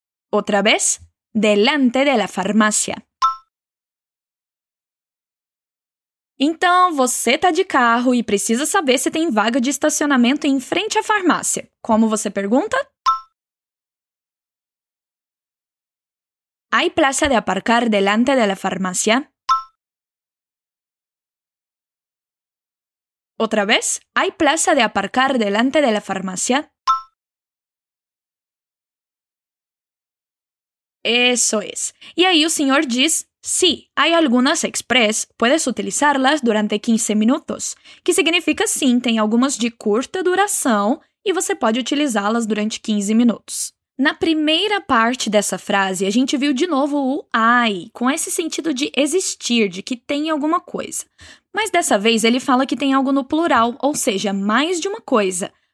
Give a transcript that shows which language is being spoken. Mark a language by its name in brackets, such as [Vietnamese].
[Portuguese] Outra vez. [Spanish] Delante de la farmacia. [Portuguese] Então, você está de carro e precisa saber se tem vaga de estacionamento em frente à farmácia. Como você pergunta? [Spanish] ¿Hay plaza de aparcar delante de la farmacia? [Portuguese] Outra vez? [Spanish] ¿Hay plaza de aparcar delante de la farmacia? Eso es. [Portuguese] E aí o senhor diz... [Spanish] Sí, hay algunas express, puedes utilizarlas durante 15 minutos. [Portuguese] Que significa sim, tem algumas de curta duração e você pode utilizá-las durante 15 minutos. Na primeira parte dessa frase, a gente viu de novo o hay, com esse sentido de existir, de que tem alguma coisa. Mas dessa vez ele fala que tem algo no plural, ou seja, mais de uma coisa.